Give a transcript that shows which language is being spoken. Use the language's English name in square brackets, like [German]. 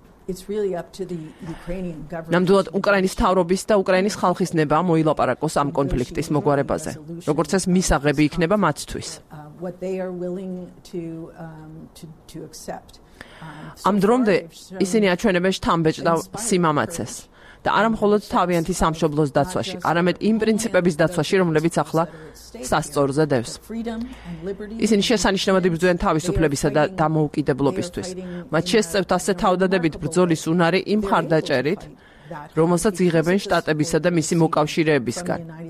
[English] It's really up to the Ukrainian government. [Georgian] ნამდვილად უკრაინის თავრობის და უკრაინის ხალხის ნება მოილაპარაკოს ამ კონფლიქტის მოგვარებაზე, როგორც ეს მისაღები იქნება მათთვის. [English] What they are willing to accept. [Georgian] ამ დრომდე ისინი აჩვენებენ შთამბეჭდავ სიმამაცეს და არა მხოლოდ თავიანთი სამშობლოს დაცვაში, არამედ იმ პრინციპების დაცვაში, რომლებიც ახლა სასწორზე დევს. ისინი შესანიშნავად იბრძვიან თავისუფლებისა და დამოუკიდებლობისთვის. მათ შესწევთ ასე თავდადებით ბრძოლის უნარი იმ მხარდაჭერით, რომელსაც იღებენ შტატებისა და მისი მოკავშირეებისგან.